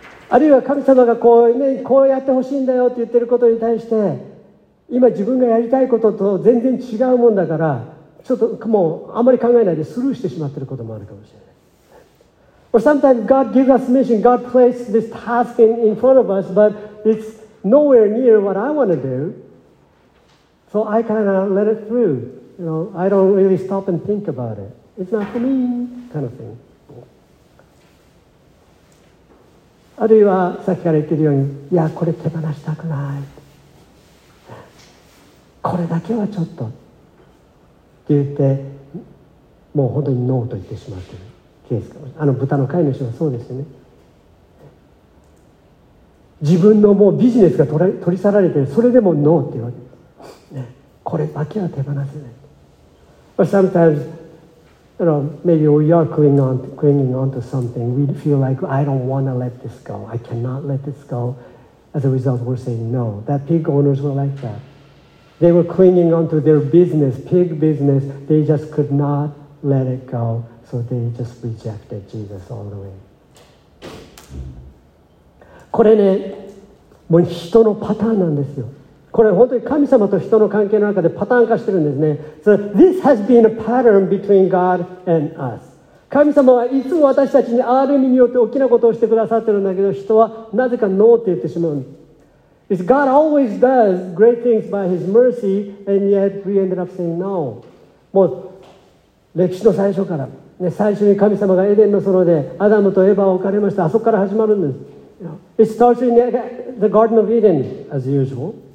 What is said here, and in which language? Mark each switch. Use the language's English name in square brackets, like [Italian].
[Japanese] あるいは神様がこう、ね、こうやってほしいんだよって言ってることに対して、今自分がやりたいことと全然違うもんだから、ちょっともうあまり考えないでスルーしてしまってることもあるかもしれない。 [English] Or sometimes God gives us mission, God places this task in front of us, but it's nowhere near what I want to do. So I kind of let it through. You know, I don't really stop and think about it. It's not for me, kind of thing. [Japanese] あるいはさっきから言ってるように、いや、これ手放したくない。これだけはちょっと。って言って、もう本当にノーと言ってしまってる。あの豚の飼い主はそうですよね。自分のもうビジネスが取り去られてそれでもノーって言われる、ね、これだけは手放せない。 [English] But sometimes, you know, maybe we are clinging on to something. We feel like I don't want to let this go. I cannot let this go. As a result, we're saying no. That pig owners were like that. They were clinging on to their business, pig business. They just could not let it go. So they just rejected Jesus all the way. [Japanese] これね、もう人のパターンなんですよ。これ本当に神様と人の関係の中でパターン化してるんですね。 [English] So this has been a pattern between God and us. [Japanese] 神様はいつも私たちにある意味によって大きなことをしてくださってるんだけど、人はなぜかノーって言ってしまう。 [English] It's God always does great things by His mercy, and yet we ended up saying no. [Japanese] もう歴史の最初から。最初に神様がエデンの園でアダムとエヴァを置かれました。あそこから始まるんです。 [English] It starts in the Garden of Eden, as usual.